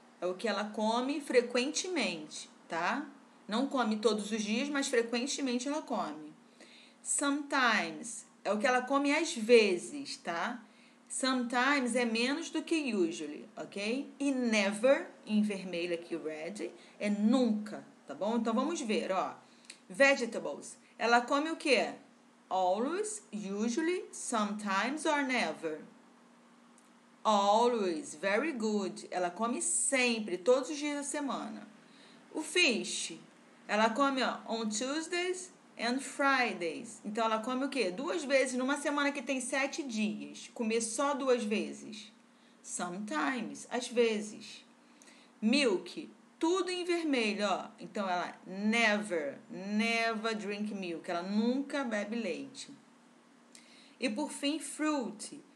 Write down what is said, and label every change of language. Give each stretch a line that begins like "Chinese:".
Portuguese: É o que ela come frequentemente, tá? Não come todos os dias, mas frequentemente ela come. Sometimes é o que ela come às vezes, tá? Sometimes é menos do que usually, ok? E never, em vermelho aqui, red, é nunca, tá bom? Então vamos ver, ó. Vegetables. Ela come o quê?
English: Always, usually, sometimes or never. Always. Very good.
Portuguese: Ela come sempre, todos os dias da semana. O fish. Ela come, ó,
English: on Tuesdays and Fridays.
Portuguese: Então, ela come o quê? Duas vezes numa semana que tem 7 dias. Comer só duas vezes. Sometimes, às vezes. Milk, tudo em vermelho, ó. Então, ela
English: never, never drink milk.
Portuguese: Ela nunca bebe leite. E, por fim, fruit.